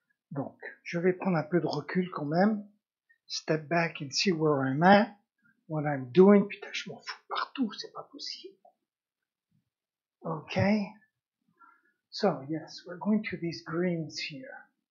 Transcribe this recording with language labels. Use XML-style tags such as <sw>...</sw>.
<fr>Donc, je vais prendre un peu de recul quand même.</fr> <en>Step back and see where I'm at, what I'm doing.</en> <fr>Putain, je m'en fous partout, c'est pas possible.</fr> <en>Okay. So, yes, we're going to these greens here.</en>